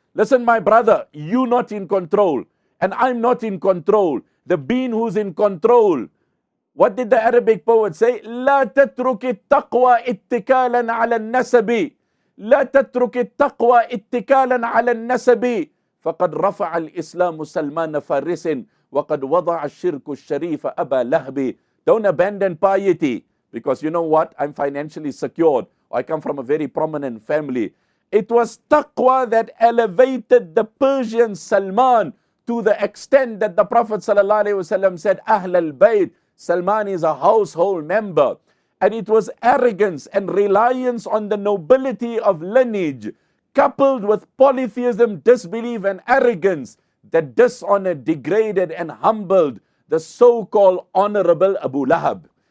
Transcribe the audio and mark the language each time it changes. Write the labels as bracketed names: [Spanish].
[English] Listen, my brother, you're not in control. And I'm not in control. The being who's in control. What did the Arabic poet say? [Arabic] لَا تَتْرُكِ التَّقْوَى اتِّكَالًا عَلَى النَّسَبِ لَا تَتْرُكِ التَّقْوَى اتِّكَالًا عَلَى النَّسَبِ فَقَدْ رَفَعَ الْإِسْلَامُ سَلْمَانَ فَارِسٍ وَقَدْ وَضَعَ الشِّرْكُ الشَّرِيفَ أَبَا لَهْبِ [English] Don't abandon piety. Because you know what? I'm financially secured. I come from a very prominent family. It was taqwa that elevated the Persian Salman to the extent that the Prophet sallallahu alaihi wasallam said, Ahl al-Bayt, Salman is a household member. And it was arrogance and reliance on the nobility of lineage, coupled with polytheism, disbelief and arrogance, that dishonored, degraded and humbled the so-called honorable Abu Lahab.